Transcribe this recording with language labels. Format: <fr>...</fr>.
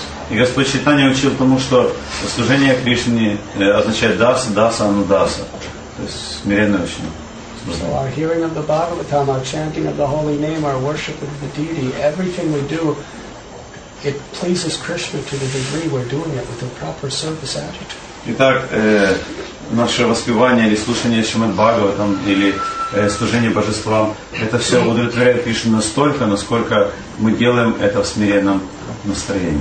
<ru>И Господь Чайтанья учил тому, что служение Кришне означает даса, даса, анудаса. То есть смиренное ученик.</ru> <en>So our hearing of the Bhagavatam, our chanting of the holy name, our worship of the deity, everything we do, it pleases Krishna to the degree we're doing it with a proper service attitude.</en> <ru>Итак, наше воспевание или слушание Шримад-Бхагаватам или служение Божествам, это все удовлетворяет Кришну настолько, насколько мы делаем это в смиренном настроении.</ru>